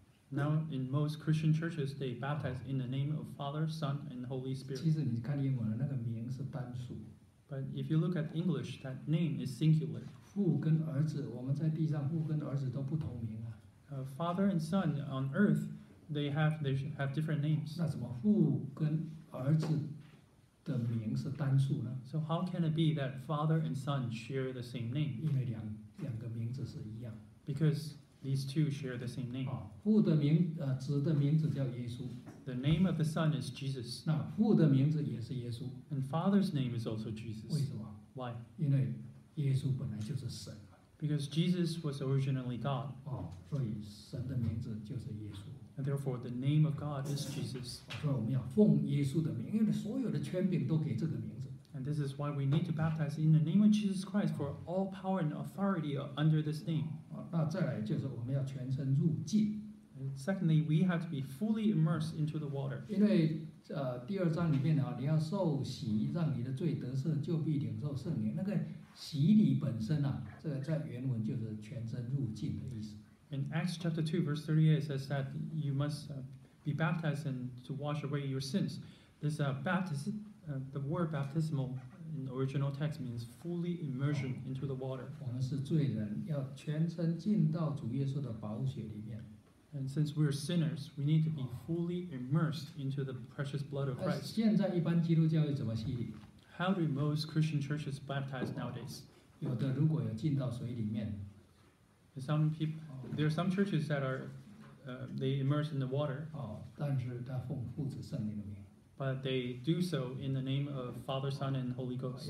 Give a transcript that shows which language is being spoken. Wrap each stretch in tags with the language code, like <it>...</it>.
<en>Now, in most Christian churches, they baptize in the name of Father, Son, and Holy Spirit.</en> <zh>其实你看英文，那个名是单数。</zh> <en>But if you look at English, that name is singular.</en> <zh>父跟儿子，我们在地上父跟儿子都不同名啊。</zh> <en>Father and Son on earth, they have different names.</en> <zh>那什么父跟儿子的名是单数呢？</zh> <en>So how can it be that Father and Son share the same name?</en> <zh>因为两个名字是一样。</zh> <en>Because These two share the same name.</en> <zh>父的名，子的名字叫耶稣。</zh> <en>The name of the son is Jesus.</en> <zh>那父的名字也是耶稣。</zh> <en>And father's name is also Jesus.</en> <zh>为什么？</zh> <en>Why?</en> <zh>因为耶稣本来就是神。</zh> <en>Because Jesus was originally God.</en> <zh>所以神的名字就是耶稣。</zh> <en>And therefore, the name of God is Jesus.</en> <zh>所以我们要奉耶稣的名，因为所有的权柄都给这个名字。</zh> <en>And this is why we need to baptize in the name of Jesus Christ for all power and authority under this name.</en> <zh>那再来就是我们要全身入浸。</zh> <en>Secondly, we have to be fully immersed into the water.</en> <zh>因为第二章里面你要受洗，让你的罪得赦，就必领受圣灵。那个洗礼本身这个在原文就是全身入浸的意思。</zh> <en>In Acts chapter 2, verse 38, it says that you must be baptized and to wash away your sins. This baptism. The word baptismal in the original text means fully immersion into the water.</en> <zh>我们是罪人，要全身浸到主耶稣的宝血里面。</zh> <en>And since we're sinners, we need to be fully immersed into the precious blood of Christ.</en> <zh>现在一般基督教会怎么洗礼？</zh> <en>How do most Christian churches baptize nowadays?</en> <zh>有的如果有浸到水里面，</zh> <en>there are some churches that are they immerse in the water.</en> <zh>但是他奉父子圣灵的名。</zh> <en>But they do so in the name of Father, Son, and Holy Ghost.</en>